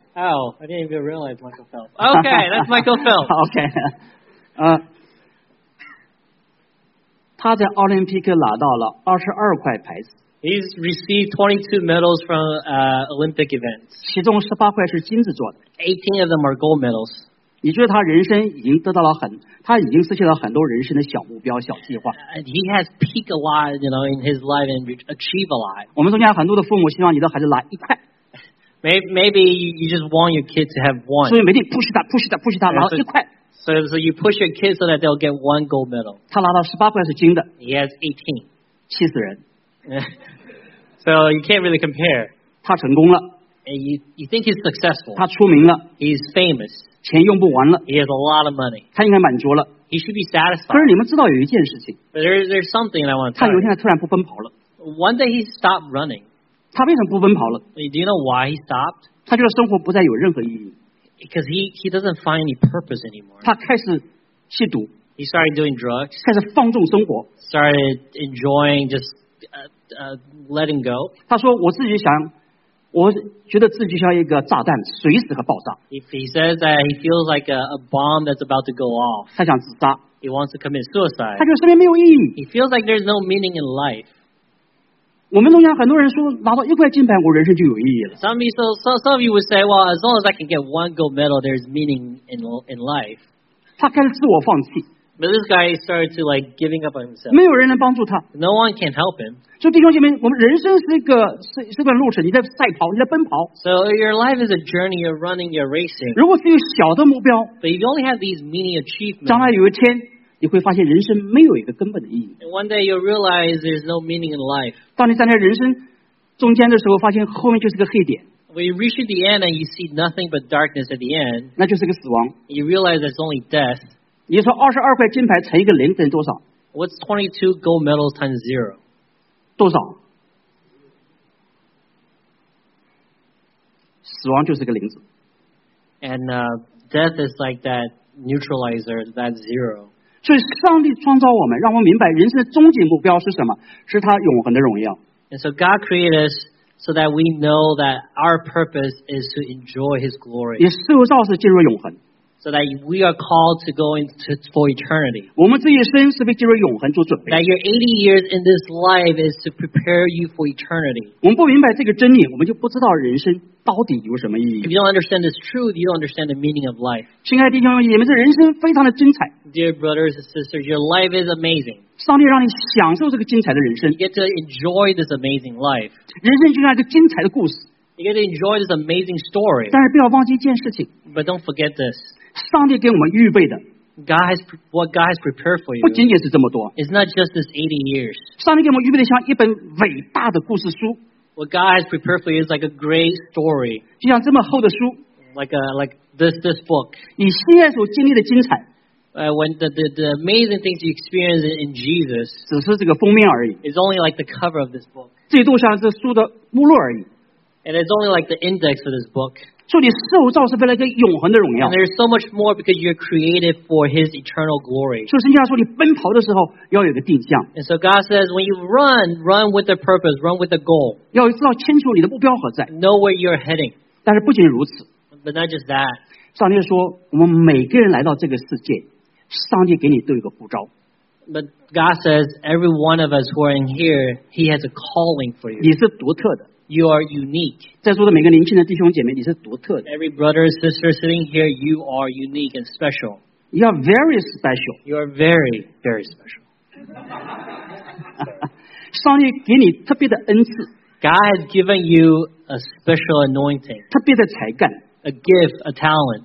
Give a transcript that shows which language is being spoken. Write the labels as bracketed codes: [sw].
[en] Oh, I didn't even realize Michael Phelps. Okay, that's Michael Phelps. Okay. [zh] 他在奥林匹克拿到了22块牌子。 [en] He's received 22 medals from Olympic events. [zh] 其中18块是金子做的。 [en] 18 of them are gold medals. [zh] 你觉得他人生已经得到了很，他已经失去了很多人生的小目标、小计划。 [en] He has peaked a lot, in his life and achieved a lot. [zh] 我们中间很多的父母希望你的孩子拿一块。 [en] Maybe you just want your kid to have one. [zh] 所以每天 push 他，拿一块。 [en] So you push your kid so that they'll get one gold medal. [zh] 他拿到18块是金的。 [en] He has 18. [zh] 气死人。 [en] So you can't really compare. [zh] 他成功了。 [en] You think he's successful. [zh] 他出名了。 [en] He's famous. [zh] 钱用不完了 [en] He has a lot of money. [zh] 他应该满足了 [en] He should be satisfied. [zh] 可是你们知道有一件事情 [en] But there's something that I want to tell you. [zh] 他有一天突然不奔跑了 [en] One day he stopped running. [zh] 他为什么不奔跑了 [en] Do you know why he stopped? [zh] 他觉得生活不再有任何意义 [en] Because he doesn't find any purpose anymore. [zh] 他开始吸毒 [en] He started doing drugs. [zh] 开始放纵生活 [en] Started enjoying just letting go. [zh] 他说我自己想我觉得自己像一个炸弹，随时和爆炸。 [en] If he says that he feels like a bomb that's about to go off, [zh] 他想自杀。 [en] He wants to commit suicide. [zh] 他觉得生命没有意义。 [en] He feels like there's no meaning in life. [zh] 我们中间很多人说，拿到一块金牌，我人生就有意义了。 [en] Some of you would say, well, as long as I can get one gold medal, there's meaning in life. [zh] 他开始自我放弃。 [en] But this guy started to like giving up on himself. [zh] 没有人能帮助他。 [en] No one can help him. [zh] 所以弟兄姐妹，我们人生是一个是段路程，你在赛跑，你在奔跑。 [en] So your life is a journey. You're running. You're racing. [zh] 如果是一个小的目标 [en] ，But if you only have these mini achievements, [zh] 将来有一天。你会发现人生没有一个根本的意义。 [en] And one day you'll realize there's no meaning in life. [zh] 当你站在人生中间的时候，发现后面就是个黑点。 [en] When you reach the end and you see nothing but darkness at the end, [zh] 那就是个死亡。 [en] You realize there's only death. [zh] 你说二十二块金牌乘一个零等于多少 [en] ？What's 22 gold medals times zero? [zh] 多少？死亡就是个零子。 [en] And death is like that neutralizer, that zero. [zh] 所以上帝创造我们，让我们明白人生的终极目标是什么，是他永恒的荣耀。 [en] And so God created us so that we know that our purpose is to enjoy His glory. [zh] 也受造是进入永恒。 [en] So that we are called to go into for eternity. [zh] 我们这一生是为进入永恒做准备。 [en] That your 80 years in this life is to prepare you for eternity. [zh] 我们不明白这个真理，我们就不知道人生到底有什么意义。 [en] If you don't understand this truth, you don't understand the meaning of life. [zh] 亲爱的弟兄姐妹，这人生非常的精彩。 [en] Dear brothers and sisters, your life is amazing. [zh] 上帝让你享受这个精彩的人生。 [en] You get to enjoy this amazing life. [zh] 人生就像一个精彩的故事。 [en] You get to enjoy this amazing story. [zh] 但是不要忘记一件事情。 [en] But don't forget this. [zh] 上帝给我们预备的 [en] God has, what God has prepared for you [zh] 不仅仅是这么多 [en] It's not just this 80 years [zh] 上帝给我们预备的像一本伟大的故事书 [en] What God has prepared for you is like a great story [zh] 就像这么厚的书 [en] Like this book [zh] 你现在所经历的精彩 [en] When the amazing things you experience in Jesus [zh] 只是这个封面而已 [en] It's only like the cover of this book [zh] 最多像这书的目录而已 [en] And it's only like the index of this book [zh] 所以你受造是为了一个永恒的荣耀。 [en] And there's so much more because you're created for His eternal glory. [zh] 所以圣经说你奔跑的时候要有个定向。 [en] And so God says when you run, run with a purpose, run with a goal. [zh] 要知道清楚你的目标何在。 [en] Know where you're heading. [zh] 但是不仅如此。 [en] But not just that. [zh] 上帝说我们每个人来到这个世界，上帝给你都有个呼召。 [en] But God says every one of us who are in here, He has a calling for you. [zh] 你是独特的。 [en] You are unique. [zh] 在座的每个年轻的弟兄姐妹，你是独特的。 [en] Every brother and sister sitting here, you are unique and special. You are very special. You are very, very special. [zh] 上帝给你特别的恩赐。 [en] God has given you a special anointing. [zh] 特别的才干。 [en] A gift, a talent.